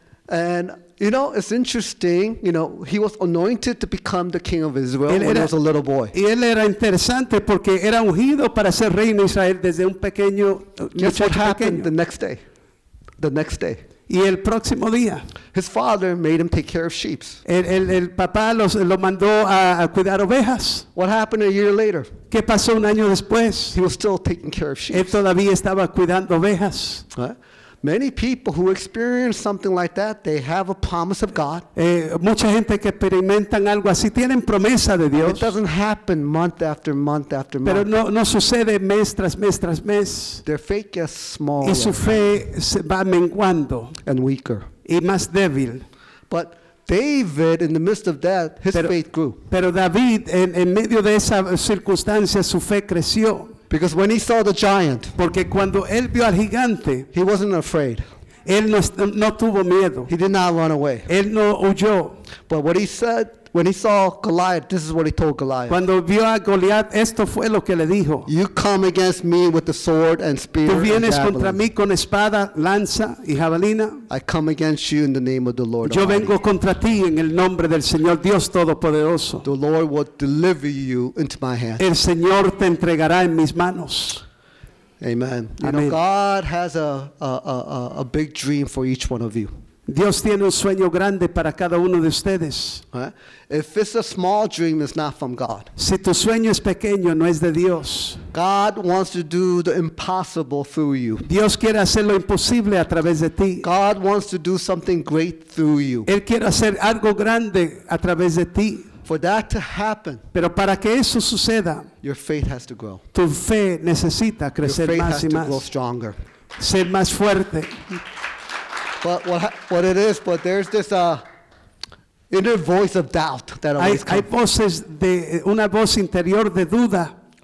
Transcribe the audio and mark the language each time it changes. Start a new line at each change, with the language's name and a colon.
English: And you know, it's interesting, you know, he was anointed to become the king of Israel when he was a little boy.
Spanish: Y él era interesante porque era ungido para ser rey en Israel desde un pequeño.
English: Guess what happened the next day? The next day.
Spanish: Y el próximo día,
English: his father made him take care of sheep.
Spanish: El papá lo mandó a cuidar ovejas.
English: What happened a year later?
Spanish: ¿Qué pasó un año después?
English: He was still taking care of sheep.
Spanish: Él todavía estaba cuidando ovejas.
English: Many people who experience something like that, they have a promise of God.
Spanish: Mucha gente que experimentan algo así tienen promesa de Dios.
English: It doesn't happen month after month after month.
Spanish: Pero no sucede mes tras mes tras mes.
English: Their faith gets smaller.
Spanish: Y su fe se va menguando.
English: And weaker.
Spanish: Y más débil.
English: But David, in the midst of that, his faith grew.
Spanish: Pero David, en medio de esa circunstancia, su fe creció.
English: Because when he saw the giant,
Spanish: porque cuando él vio al gigante,
English: he wasn't afraid.
Spanish: Él no tuvo miedo.
English: He did not run away.
Spanish: Él no huyó.
English: But what he said when he saw Goliath, this is what he told Goliath.
Spanish: Cuando vio a Goliath, esto fue lo que le dijo.
English: You come against me with the sword and spear.
Spanish: Tú vienes contra mí con espada, lanza y jabalina.
English: I come against you in the name of the Lord.
Spanish: Yo vengo contra ti en el nombre del Señor Dios Todopoderoso.
English: The Lord will deliver you into my hands.
Spanish: El Señor te entregará en mis manos. Amen.
English: You know, God has a big dream for each one of you.
Spanish: Dios tiene un sueño grande para cada uno de ustedes.
English: If it's a small dream, it's not from God.
Spanish: Si tu sueño es pequeño, no es de Dios.
English: God wants to do the impossible through you.
Spanish: Dios quiere hacer lo imposible a través de ti.
English: God wants to do something great through you.
Spanish: Él quiere hacer algo grande a través de ti.
English: For that to happen,
Spanish: pero para que eso suceda,
English: your faith has to grow.
Spanish: Tu fe necesita crecer más y más.
English: Your faith has to grow stronger.
Spanish: Ser más fuerte.
English: But what it is, but there's this inner voice of doubt that always comes.
Spanish: Hay voces de una voz interior de duda.